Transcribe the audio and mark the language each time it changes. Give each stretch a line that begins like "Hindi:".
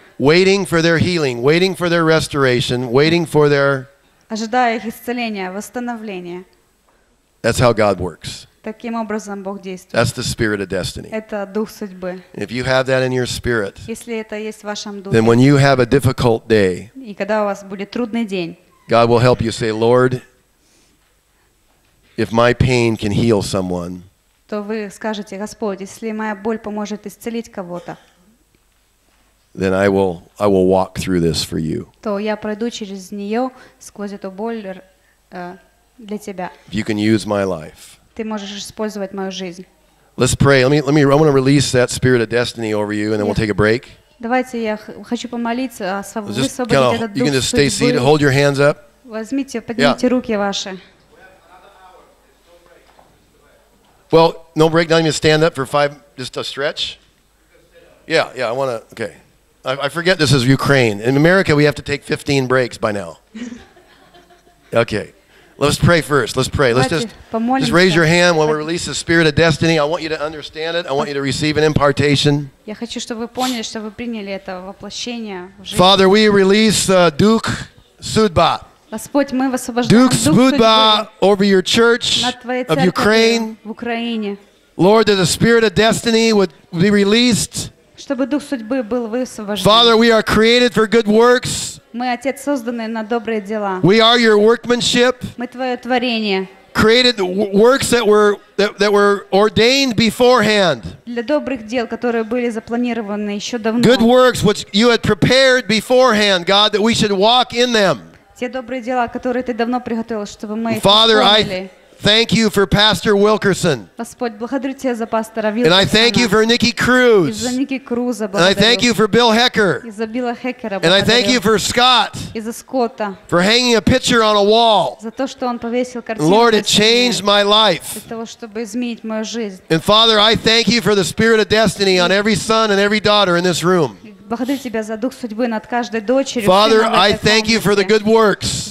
English: Waiting for their healing, waiting for their restoration, waiting for their.
Russian: Ожидая их исцеления, восстановления.
English: That's how God works.
Russian: Таким образом Бог действует.
English: That's the spirit of destiny.
Russian: Это дух судьбы.
English: If you have that in your spirit.
Russian: Если это есть в вашем духе.
English: Then when you have a difficult day.
Russian: И когда у вас будет трудный день.
English: God will help you say, Lord. If my pain can heal someone,
Russian: то вы скажете, Господь, если моя боль поможет исцелить кого-то,
English: then I will walk through this for you.
Russian: То я пройду через нее сквозь эту боль для тебя.
English: If you can use my life,
Russian: ты можешь использовать мою жизнь.
English: Let's pray. Let me. I want to release that spirit of destiny over you, and then we'll take a break.
Russian: Давайте я хочу помолиться, освободить этот дух судьбы.
English: You can just stay seated. Hold your hands up.
Russian: Возьмите, поднимите руки ваши.
English: Well, no break, not even stand up for five, just a stretch. Yeah, I want to, okay. I forget this is Ukraine. In America, we have to take 15 breaks by now. Okay. Let's pray first. Let's pray. Let's just raise your hand when we release the spirit of destiny. I want you to understand it. I want you to receive an impartation.
Russian: Я хочу, чтобы вы поняли, что вы приняли это воплощение в
English: жизнь. Father, we release
Russian: Duke Sudba. Господь, мы высвобождаем Дух Судьбы. Duke Sudba
English: over your church of Ukraine.
Russian: В Украине.
English: Lord, that the spirit of destiny would be released.
Russian: Чтобы Дух Судьбы был высвобожден.
English: Father, we are created for good works.
Russian: Мы, Отец, созданы на добрые дела.
English: We are your workmanship.
Russian: Мы твое творение.
English: Created works that were ordained beforehand.
Russian: Для добрых дел, которые были запланированы еще давно.
English: Good works which you had prepared beforehand, God, that we should walk in them.
Russian: Те добрые дела, которые ты давно приготовил, чтобы мы их
English: Father,
Russian: исполнили.
English: Thank you for Pastor Wilkerson.
Russian: Господь, благодарю тебя за пастора
English: Вилкерсона. And I thank you for Nikki Cruz.
Russian: И за Ники Круза благодарю.
English: And I thank you for Bill Hecker.
Russian: И за Билла Хекера благодарю.
English: And I thank you for Scott.
Russian: И за Скотта.
English: For hanging a picture on a wall.
Russian: За то, что он повесил картину.
English: Lord, it changed my life.
Russian: Для того, чтобы изменить мою жизнь.
English: And Father, I thank you for the spirit of destiny on every son and every daughter in this room.
Russian: Благодарю тебя за дух судьбы над каждой дочерью.
English: Father, I thank you for the good works.